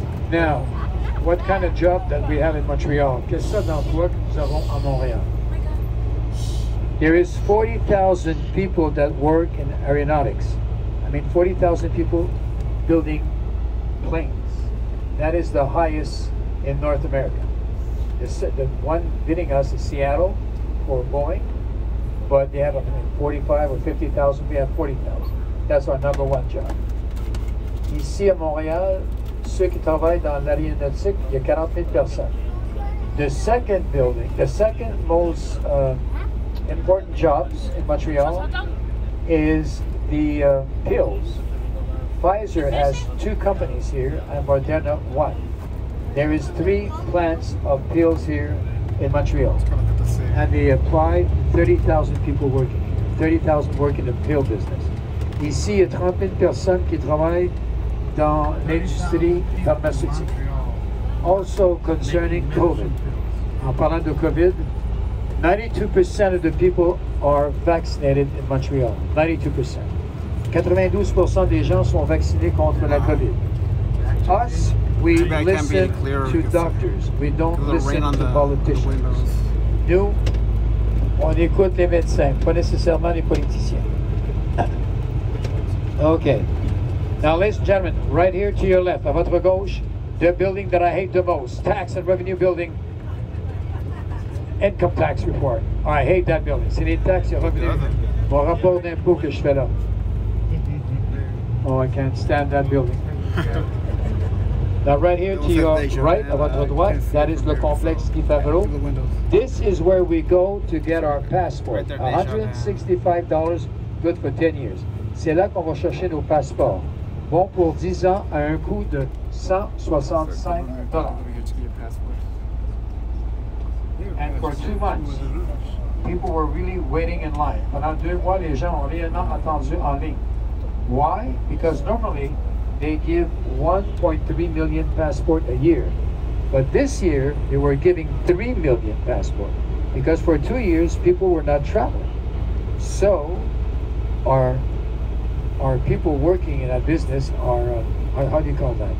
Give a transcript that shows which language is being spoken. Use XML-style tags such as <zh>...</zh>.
<en>Now, what kind of job that we have in Montreal?</en> <fr>Qu'est-ce que d'emploi que nous avons à Montréal?</fr> <en>There is 40,000 people that work in aeronautics. I mean, 40,000 people building planes. That is the highest in North America. The one bidding us is Seattle for Boeing, but they have 45 or 50,000. We have 40,000. That's our number one job.</en> <fr>Ici à Montréal, ceux qui travaillent dans l'aéronautique, il y a 40 000 personnes.</fr> <en>The second building, the second most important jobs in Montreal is the pills. Pfizer has two companies here and Moderna one. There is three plants of pills here in Montreal. And they apply 30,000 people working here. 30,000 work in the pill business.</en> <fr>Ici, il y a 30 000 personnes qui travaillent dans l'industrie pharmaceutique.</fr> <en>Also concerning COVID.</en> <fr>En parlant de COVID,</fr> <en>92% of the people are vaccinated in Montreal.</en> <fr>92%. 92% des gens sont vaccinés contre la COVID.</fr> <en>Us, we listen to doctors. We don't listen to politicians.</en> <fr>Nous, on écoute les médecins, pas nécessairement les politiciens.</fr> <en>Okay. Now, ladies and gentlemen, right here to your left,</en> <fr>à votre gauche,</fr> <en>the building that I hate the most, tax and revenue building. Income tax report. I hate that building.</en> <fr>C'est les taxes et revenus. Mon rapport d'impôt que je fais là.</fr> <en>Oh, I can't stand that building. Now, right here to your right,</en> <fr>à votre droite,</fr> <en>that is le complexe Guy Favreau. This is where we go to get our passport. $165, good for 10 years.</en> <fr>C'est là qu'on va chercher nos passeports. Bon pour 10 ans à un coût de $165.</fr> <en>And for 2 months, people were really waiting in line.</en> <fr>Pendant 2 mois, les gens ont réellement attendu en ligne.</fr> <en>Why? Because normally, they give 1.3 million passport a year. But this year, they were giving 3 million passport. Because for 2 years, people were not traveling. So, our people working in that business are, how do you call that?</en>